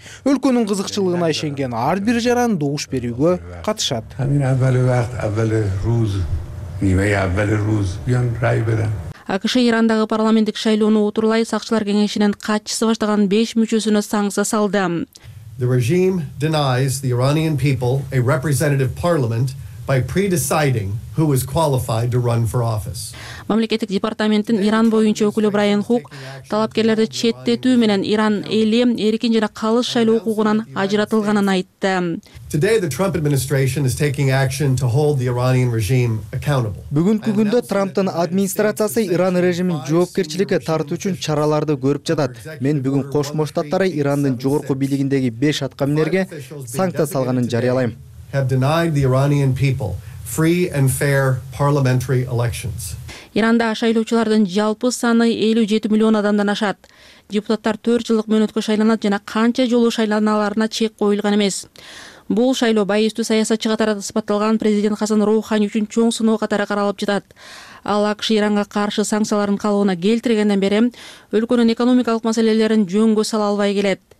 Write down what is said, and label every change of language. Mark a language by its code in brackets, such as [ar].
[ky] Өлкөнүн кызыкчылыгына ишенген ар бир жаран добуш берүүгө катышат. АКШ Ирандагы парламенттик шайлоону утурлай сакчылар кеңешинин катчысы баштаган 5 мүчөсүнө санкция салды. [en] The regime denies the Iranian people a representative parliament by pre-deciding who is qualified to run for office. [ky] Мамлекеттик департаменттин Иран боюнча өкүлү Брайан Хук талапкерлерди четтетүү менен Иран эли эркин жана калыш шайлоо укугунан ажыратылганын айтты. [en] Today the Trump administration is taking action to hold the Iranian regime accountable. [ky] Бүгүнкү күндө Трамптын администрациясы Иран режимин жоопкерчиликке тартуу үчүн чараларды көрүп жатат. Мен бүгүн Кошмо Штаттары Ирандын жогорку бийлигиндеги 5 аткаминерге санкция салганын жарыялайм. [en] Have denied the Iranian people free and fair parliamentary elections. [ky] Иранда шайлоочулардын жалпы саны 57 миллион адамдан ашат. Депутаттар 4 жылдык мөөнөткө шайланат жана канча жолу шайланааларына чек коюлган эмес. Бул шайлоо байыстуу саясатчы катары сыпатталган президент Хасан Рухани үчүн чоң сыноо катары каралып жатат. Ал АКШ Иранга каршы санкцияларын калыбына келтиргенден бери өлкөнүн экономикалык маселелерин жөнгө сала албай келет.